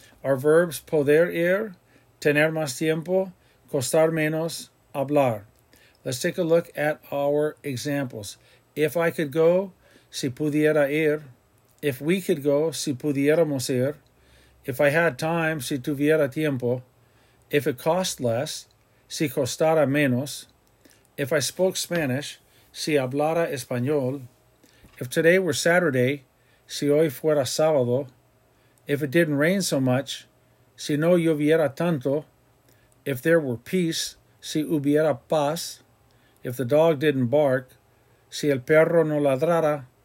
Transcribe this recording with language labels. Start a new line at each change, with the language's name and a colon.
English: Our verbs,
Spanish: poder ir, tener más tiempo, costar menos, hablar.
English: Let's take a look at our examples. If I could go,
Spanish: si pudiera ir.
English: If we could go,
Spanish: si pudiéramos ir.
English: If I had time,
Spanish: si tuviera tiempo.
English: If it cost less,
Spanish: si costara menos.
English: If I spoke Spanish,
Spanish: si hablara español.
English: If today were Saturday,
Spanish: si hoy fuera sábado.
English: If it didn't rain so much,
Spanish: si no lloviera tanto.
English: If there were peace,
Spanish: si hubiera paz.
English: If the dog didn't bark,
Spanish: si el perro no ladrara.